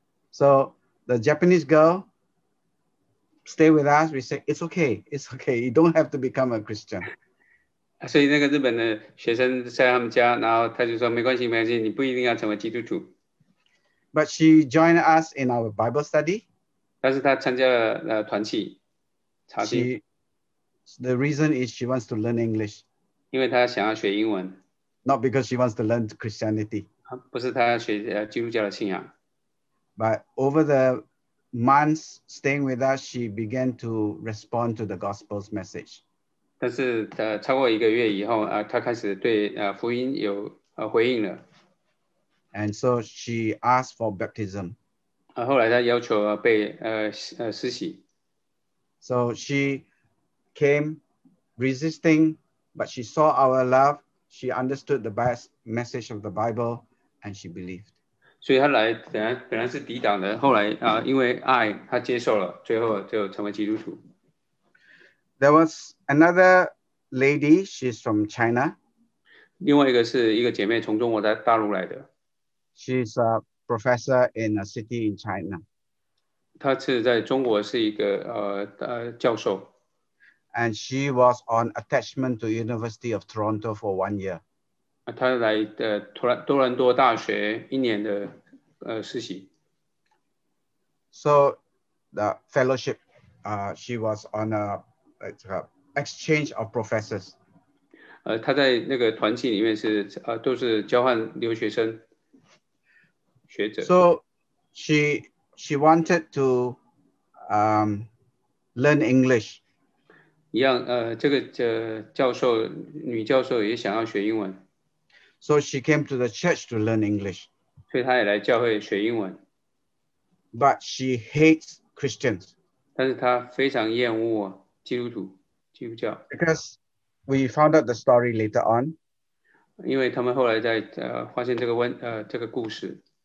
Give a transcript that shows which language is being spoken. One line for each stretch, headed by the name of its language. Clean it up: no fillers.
English: So the Japanese girl stay with us. We say it's okay, it's okay. You don't have to become a Christian.
Chinese: 所以那个日本的学生在他们家，然后他就说没关系，没关系，你不一定要成为基督徒。
English: But she joined us in our Bible study.
Chinese: 但是她参加了团契，查经。
English: The reason is she wants to learn English.
Chinese: 因为她想要学英文。
English: Not because she wants to learn Christianity.
Chinese: 不是她要学基督教的信仰。
English: But over the months staying with us, she began to respond to the gospel's message.
Chinese: 但是超过一个月以后，她开始对福音有回应了。
English: And so she asked for baptism.
Chinese: 后来她要求被施洗。
English: So she came resisting, but she saw our love. She understood the best message of the Bible, and she believed.
Chinese: 所以她来本来是抵挡的，后来因为爱，她接受了，最后就成为基督徒。
English: There was another lady. She's from China.
Chinese: 另外一个是一个姐妹，从中国在大陆来的。
English: She's a professor in a city in China.
Chinese: 她是在中国是一个教授。
English: And she was on attachment to University of Toronto for 1 year.
Chinese: 她来多伦多大学一年的实习。
English: So the fellowship, she was on a exchange of professors.
Chinese: 她在那个团契里面是都是交换留学生学者。
English: So she wanted to learn English.
Chinese: 一样，这个教授女教授也想要学英文
English: ，so she came to the church to learn English.
Chinese: 所以她也来教会学英文。
English: But she hates Christians.
Chinese: 但是她非常厌恶基督徒、基督教。
English: Because we found out the story later on.
Chinese: 因为他们后来在发现这个故事。